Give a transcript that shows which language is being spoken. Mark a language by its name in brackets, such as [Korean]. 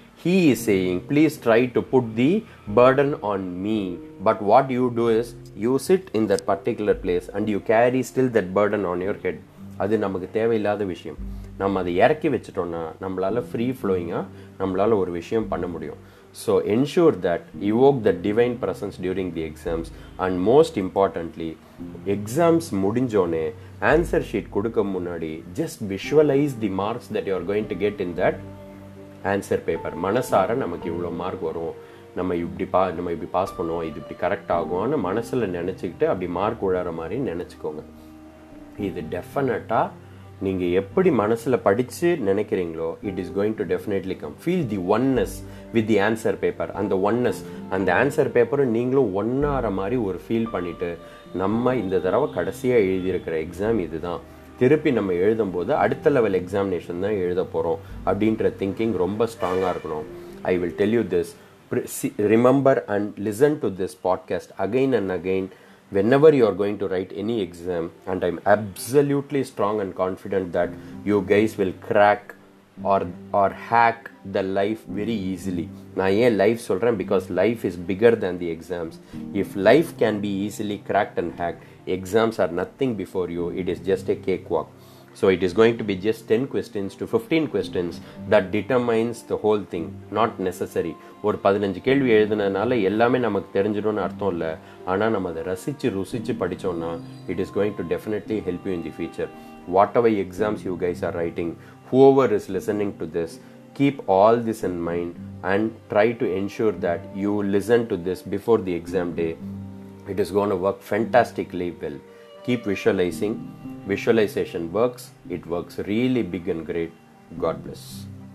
[English] He is saying please try to put the burden on me, but what you do is you sit in that particular place and you carry still that burden on your head. [Tamil] அது நமக்கு தேவையில்லாத விஷயம். நம்ம அதை இறக்கி வச்சிட்டோன்னா நம்மளால் free ஃப்ளோயிங்காக நம்மளால் ஒரு விஷயம் பண்ண முடியும். [English] So ensure that evoke the divine presence during the exams, and most importantly, exams [Tamil] mudinjone answer sheet kudukkum munadi [English] just visualize the marks that you are going to get in that answer paper. [Tamil] Manasara namakku ivlo mark varum, nama ipdi pass pannuvom, idu ipdi correct aagum nu manasula nenachikitte abdi mark ulara mari nenachikonga. Idu definitely நீங்கள் எப்படி மனசில் படித்து நினைக்கிறீங்களோ [English] It is going to definitely come. Feel the oneness with the answer paper. [Tamil] அந்த oneness, அந்த answer பேப்பரும் நீங்களும் ஒன்னாகிற மாதிரி ஒரு ஃபீல் பண்ணிவிட்டு, நம்ம இந்த தடவை கடைசியாக எழுதியிருக்கிற எக்ஸாம் இது தான், திருப்பி நம்ம எழுதும் போது அடுத்த லெவல் எக்ஸாமினேஷன் தான் எழுத போகிறோம் அப்படின்ற திங்கிங் ரொம்ப ஸ்ட்ராங்காக இருக்கணும். [English] I will tell you this, remember and listen to this podcast again and again whenever you are going to write any exam, and I'm absolutely strong and confident that you guys will crack or hack the life very easily. [Tamil] Na ye life solran [English] because life is bigger than the exams. If life can be easily cracked and hacked, exams are nothing before you. It is just a cakewalk. So it is going to be just 10 questions to 15 questions that determines the whole thing. Not necessary. [Tamil] ஒரு 15 கேள்வி எழுதுனதுனால எல்லாமே நமக்கு தெரிஞ்சிடும்னு அர்த்தம் இல்லை. ஆனால் நம்ம அதை ரசித்து ருசித்து படித்தோம்னா [English] It is going to definitely help you in the future. What ever exams you guys are writing, ஹூஓவர் is listening to this, keep all this in mind and try to ensure that you listen to this before the exam day. It is gonna to work fantastically well. Keep visualizing. Visualization works. It works really big and great. God bless.